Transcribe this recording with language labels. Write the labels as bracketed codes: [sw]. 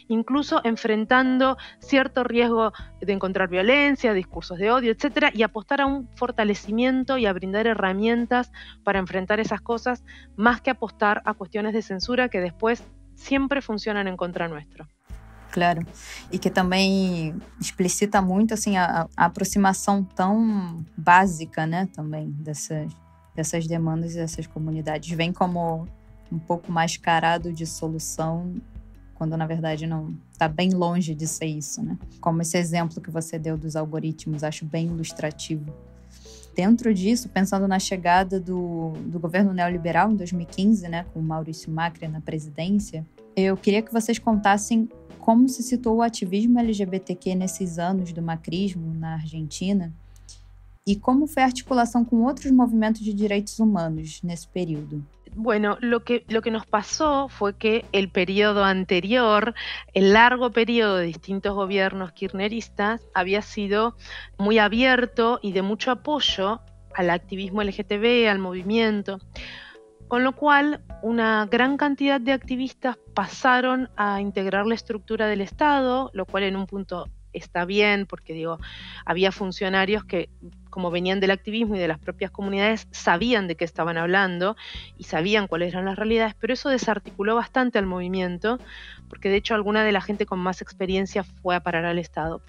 [es] incluso enfrentando cierto riesgo de encontrar violencia, discursos de odio, etcétera, y apostar a un fortalecimiento y a brindar herramientas para enfrentar esas cosas, más que apostar a cuestiones de censura que después siempre funcionan en contra nuestro. [pt] Claro, e que também explicita muito assim, a aproximação tão básica, né, também dessas demandas e dessas comunidades. Vem como um pouco mascarado de solução, quando na verdade não está bem longe de ser isso. Né? Como esse exemplo que você deu dos algoritmos, acho bem ilustrativo. Dentro disso, pensando na chegada do governo neoliberal em 2015, né, com Maurício Macri na presidência, eu queria que vocês contassem como se situou o ativismo LGBTQ nesses anos do macrismo na Argentina e como foi a articulação com outros movimentos de direitos humanos nesse período. [es] Bueno, lo que nos pasó fue que el periodo anterior, el largo periodo de distintos gobiernos kirchneristas, había sido muy abierto y de mucho apoyo al activismo LGTB, al movimiento. Con lo cual, una gran cantidad de activistas pasaron a integrar la estructura del Estado, lo cual en un punto está bien, porque digo, había funcionarios que, como venían del activismo y de las propias comunidades, sabían de qué estaban hablando y sabían cuáles eran las realidades, pero eso desarticuló bastante al movimiento, porque de hecho alguna de la gente con más experiencia fue a parar al Estado.